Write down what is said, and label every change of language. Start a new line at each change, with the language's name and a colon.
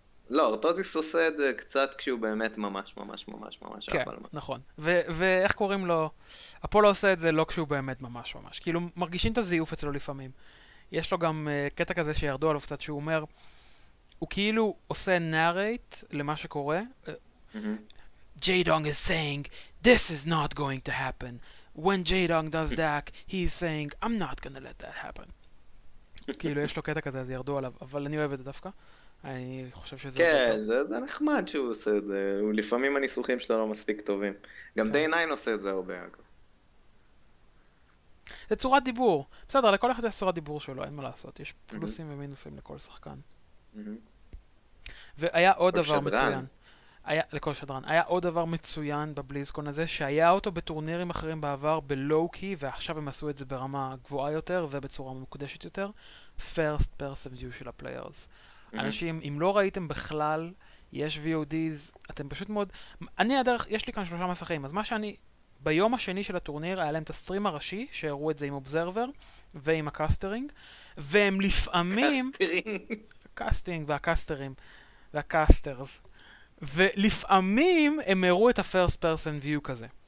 Hebrew: לא, ארטוסיס עושה את זה קצת כשהוא באמת ממש ממש ממש ממש אף על מה. כן, נכון. ואיך קוראים לו? אפולו עושה את זה לא כשהוא באמת ממש ממש. כאילו, מרגישים את הזיוף אצלו לפעמים. יש לו גם קטע כזה שירדו עליו קצת, שהוא אומר, הוא כאילו עושה נארייט למה שקורה.
English: J-Dong is saying, this is not going to happen. When J-Dong does that, he's saying, I'm not gonna let that happen.
Hebrew: כאילו, יש לו קטע כזה, אז ירדו עליו. אבל אני אוהב את זה דווקא. אני חושב שזה... כן, זה נחמד שהוא עושה את זה. לפעמים הניסוחים שלו לא מספיק טובים. גם די 9 עושה את זה הרבה, אגב. זה צורת דיבור. בסדר, לכל אחד יש צורת דיבור שלו, אין מה לעשות. יש פלוסים ומינוסים לכל שחקן. והיה עוד דבר מצוין. לכל שדרן. היה עוד דבר מצוין בבליזקון הזה, שהיה אותו בטורנירים אחרים בעבר בלואו-קי, ועכשיו הם עשו את זה ברמה גבוהה יותר ובצורה מקודשת יותר.
English: First person view
Hebrew: של הפליירס. אנשים, אם לא ראיתם בכלל, יש VODs, אתם פשוט מאוד... אני הדרך, יש לי כאן שלושה מסכים, אז מה שאני... ביום השני של הטורניר היה להם את הסטרים הראשי, שהראו את זה עם אובזרבר, ועם הקאסטרינג, והם לפעמים... קאסטינג והקאסטרים, והקאסטרס. ולפעמים הם הראו את הפרסט פרסן ויו כזה.